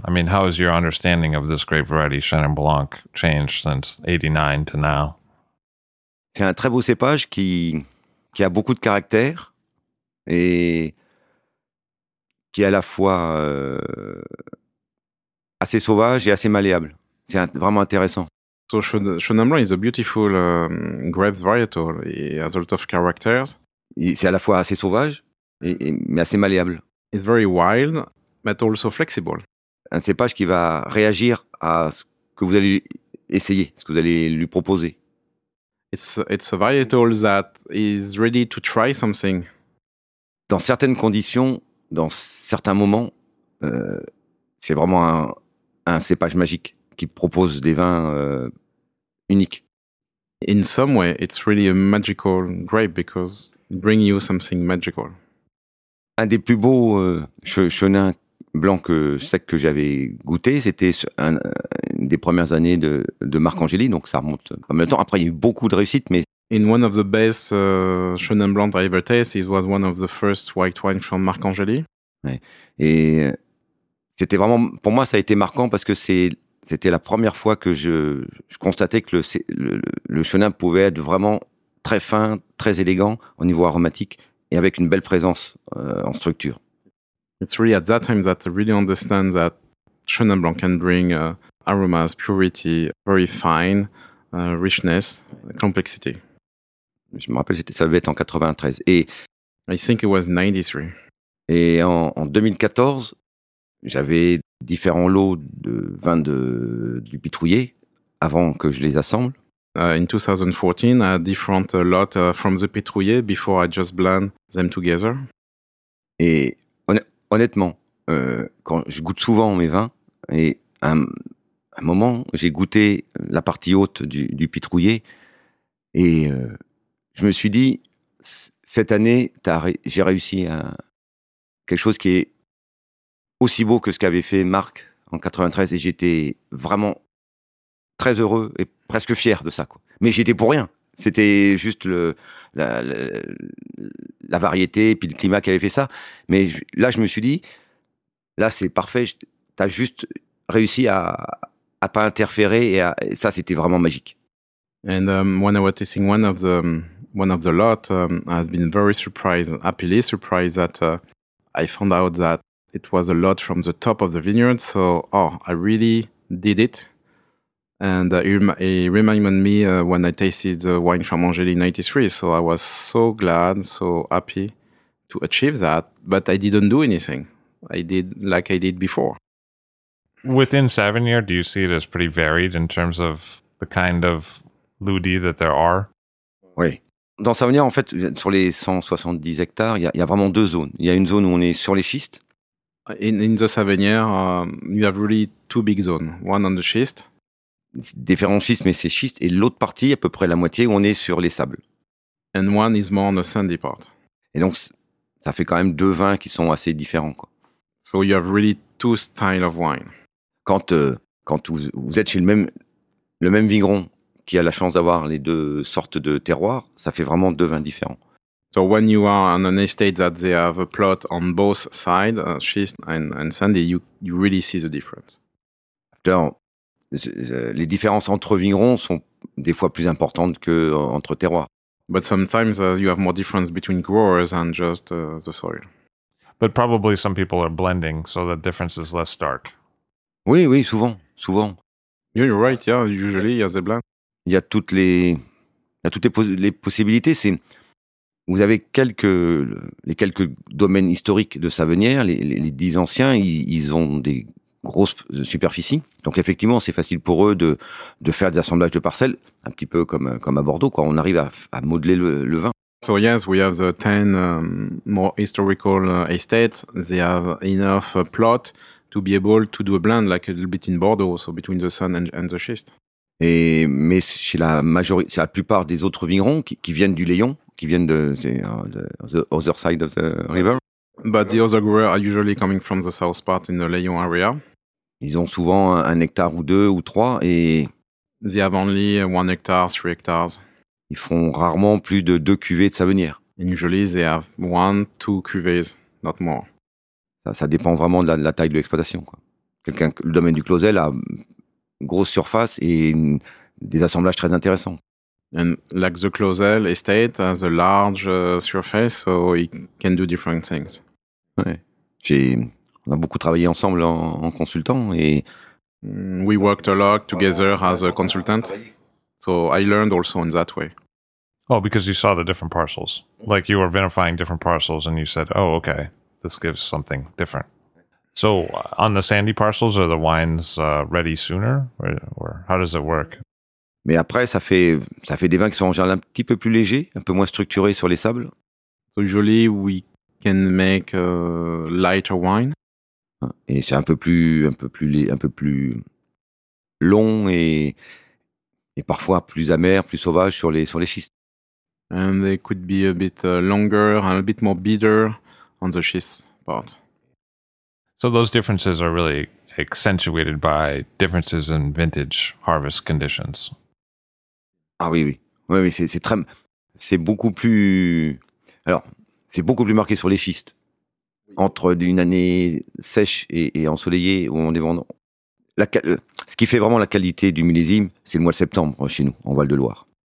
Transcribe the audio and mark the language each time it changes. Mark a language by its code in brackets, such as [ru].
[en] I mean, how has your understanding of this grape variety, Chenin Blanc, changed since 89 to now? [fr] C'est un très beau cépage qui a beaucoup de caractère et qui à la fois assez sauvage et assez malléable. C'est vraiment intéressant. [en] So Chenin Blanc is a beautiful grape varietal. It has a lot of characters. [fr] C'est à la fois assez sauvage, mais assez malléable. [en] It's very wild, but also flexible. [fr] Un cépage qui va réagir à ce que vous allez essayer, ce que vous allez lui proposer. [en] It's a varietal that is ready to try something. [fr] Dans certaines conditions, dans certains moments, c'est vraiment un cépage magique qui propose des vins uniques. [en] In some way, it's really a magical grape because it brings you something magical. [fr] Un des plus beaux Chenin blanc sec que j'avais goûté, c'était une des premières années de Marc Angeli, donc ça remonte pas mal de temps. Après, il y a eu beaucoup de réussites, mais... [en] In one of the best Chenin blanc I ever tasted, it was one of the first white wine from Marc Angeli. [fr] Ouais. Et c'était vraiment, pour moi, ça a été marquant parce que c'était la première fois que je constatais que le chenin pouvait être vraiment très fin, très élégant au niveau aromatique et avec une belle présence en structure. [en] It's really at that time that I really understand that chenin blanc can bring aromas, purity, very fine, richness, complexity. [fr] Je me rappelle, ça devait être en 93. Et [en] I think it was 93. [fr] Et en 2014, j'avais différents lots de vin du pitrouillé avant que je les assemble. [en] In 2014, I had different lots from the pitrouillé before I just blend them together. [fr] Et honnêtement, quand je goûte souvent mes vins, et à un moment, j'ai goûté la partie haute du pitrouillé et je me suis dit, cette année, j'ai réussi à quelque chose qui est aussi beau que ce qu'avait fait Marc en 93 et j'étais vraiment très heureux et presque fier de ça, quoi. Mais j'étais pour rien. C'était juste la variété et puis le climat qui avait fait ça. Mais là, je me suis dit, là, c'est parfait. T'as juste réussi à pas interférer et ça, c'était vraiment magique. [en] And when I was tasting one of the lot, I have been very surprised, happily surprised that I found out that it was a lot from the top of the vineyard. So, I really did it. And it reminded me when I tasted the wine from Angeli in 93. So I was so glad, so happy to achieve that. But I didn't do anything. I did like I did before. Within Savignier, do you see it as pretty varied in terms of the kind of Loudi that there are? [fr] Oui. Dans Savignier, en fait, sur les 170 hectares, il y a vraiment deux zones. Il y a une zone où on est sur les schistes. [en] In the Savignier, you have really two big zones. One on the schist. [fr] Différents schistes, mais c'est schiste. Et l'autre partie, à peu près la moitié, où on est sur les sables. [en] And one is more on the sandy part. [fr] Et donc, ça fait quand même deux vins qui sont assez différents, quoi. [en] So you have really two styles of wine. [fr] Quand vous êtes chez le même vigneron qui a la chance d'avoir les deux sortes de terroirs, ça fait vraiment deux vins différents. [en] So when you are on an estate that they have a plot on both sides, schist and sandy, you really see the difference. [fr] After, les différences entre vignerons sont des fois plus importantes que entre terroirs. [en] But sometimes you have more difference between growers and just the soil. But probably some people are blending, so the difference is less stark. [fr] Oui, oui, souvent. [en] You're right, yeah, usually yeah, they blend. [fr] Il y a toutes les possibilités. C'est, vous avez les quelques domaines historiques de Savignier, les 10 anciens, ils ont des grosses superficies. Donc effectivement, c'est facile pour eux de faire des assemblages de parcelles, un petit peu comme à Bordeaux, quoi. On arrive à modeler le vin. [en] So yes, we have the 10 more historical estates. They have enough plot to be able to do a blend like a little bit in Bordeaux, so between the sun and the schist. [fr] Mais chez la plupart des autres vignerons qui viennent du Léon, qui viennent [en] the other side of the river. But the other growers are usually coming from the south part in the Léon area. [fr] Ils ont souvent un hectare ou deux ou trois et... [en] They have only 1 hectare, 3 hectares. [fr] Ils font rarement plus de 2 cuvées de Savignier. [en] Usually they have 1-2 cuvées, not more. [fr] Ça dépend vraiment de la taille de l'exploitation, quoi. Le domaine du Clausel a une grosse surface et des assemblages très intéressants. [en] And like the Clausel estate has a large surface, so it can do different things. [fr] Ouais. On a beaucoup travaillé ensemble en consultant et... [en] We worked a lot together as a consultant. So I learned also in that way. Oh, because you saw the different parcels. Like you were vinifying different parcels and you said, oh, okay, this gives something different. So on the sandy parcels, are the wines ready sooner? Or how does it work? [fr] Mais après, ça fait des vins qui sont en général un petit peu plus légers, un peu moins structurés sur les sables. [en] So usually we can make a lighter wine. [fr] Et c'est un peu plus long et parfois plus amer, plus sauvage sur les schistes. [en] And they could be a bit longer and a bit more bitter on the schist part. So those differences are really accentuated by differences in vintage harvest conditions. [fr] Ah oui, oui. Oui, oui, c'est beaucoup plus... Alors, c'est beaucoup plus marqué sur les schistes. entre une année sèche et ensoleillée au moment des vendanges. Ce qui fait vraiment la qualité du millésime, c'est le mois de septembre chez nous, en Val-de-Loire.